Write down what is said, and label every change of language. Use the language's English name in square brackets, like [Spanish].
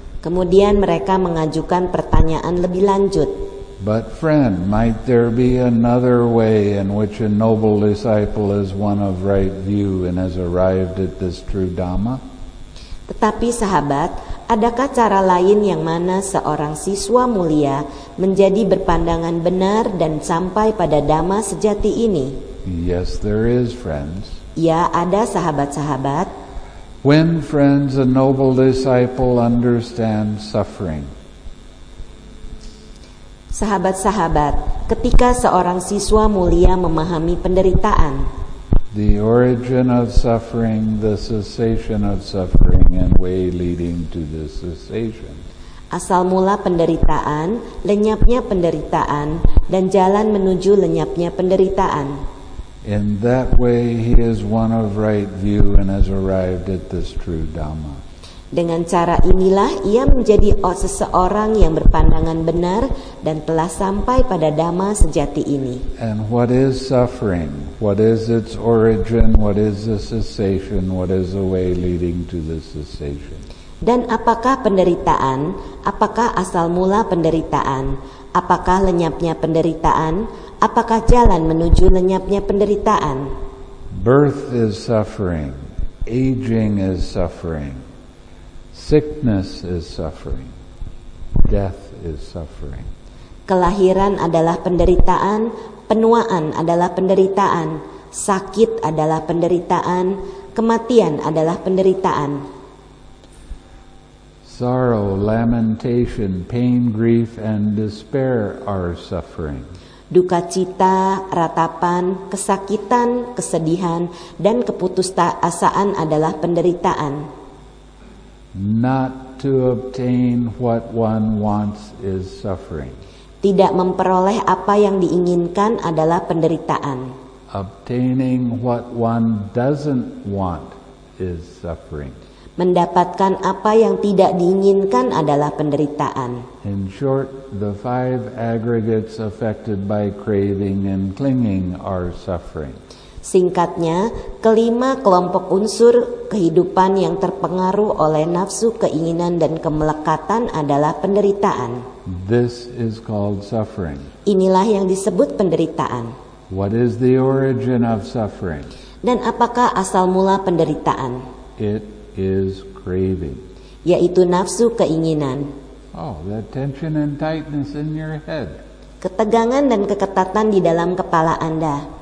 [Indonesian] Kemudian mereka mengajukan pertanyaan lebih lanjut. [English] But friend, might there be another way in which a noble disciple is one of right view and has arrived at this true Dhamma? [Indonesian] Tetapi sahabat, adakah cara lain yang mana seorang siswa mulia menjadi berpandangan benar dan sampai pada Dhamma sejati ini? [English] Yes, there is, friends. [Indonesian] Ya, ada sahabat-sahabat. [English] When, friends, a noble disciple understands suffering. [Indonesian] Sahabat-sahabat, ketika seorang siswa mulia memahami penderitaan. [English] The origin of suffering, the cessation of suffering, and way leading to the cessation. [Indonesian] Asal mula penderitaan, lenyapnya penderitaan, dan jalan menuju lenyapnya penderitaan. [English] In that way, he is one of right view and has arrived at this true Dhamma. [Indonesian] Dengan cara inilah ia menjadi seseorang yang berpandangan benar dan telah sampai pada Dhamma sejati ini. [English] And what is suffering? What is its origin? What is the cessation? What is the way leading to the cessation? [Indonesian] Dan apakah penderitaan? Apakah asal mula penderitaan? Apakah lenyapnya penderitaan? Apakah jalan menuju lenyapnya penderitaan? [English] Birth is suffering. Aging is suffering. Sickness is suffering. Death is suffering. [Indonesian] Kelahiran adalah penderitaan, penuaan adalah penderitaan, sakit adalah penderitaan, kematian adalah penderitaan. [English] Sorrow, lamentation, pain, grief, and despair are suffering. [Indonesian] Duka cita, ratapan, kesakitan, kesedihan, dan keputusasaan adalah penderitaan. [English] Not to obtain what one wants is suffering. [Indonesian] Tidak memperoleh apa yang diinginkan adalah penderitaan. [English] Obtaining what one doesn't want is suffering. [Indonesian] Mendapatkan apa yang tidak diinginkan adalah penderitaan. [English] In short, the five aggregates affected by craving and clinging are suffering. [Indonesian] Singkatnya, kelima kelompok unsur kehidupan yang terpengaruh oleh nafsu, keinginan, dan kemelekatan adalah penderitaan. [English] This is called suffering. [Indonesian] Inilah yang disebut penderitaan. [English] What is the origin of suffering? [Indonesian] Dan apakah asal mula penderitaan? [English] It is craving. [Indonesian] Yaitu nafsu keinginan. [English] Oh, the tension and tightness in your head. [Indonesian] Ketegangan dan keketatan di dalam kepala Anda.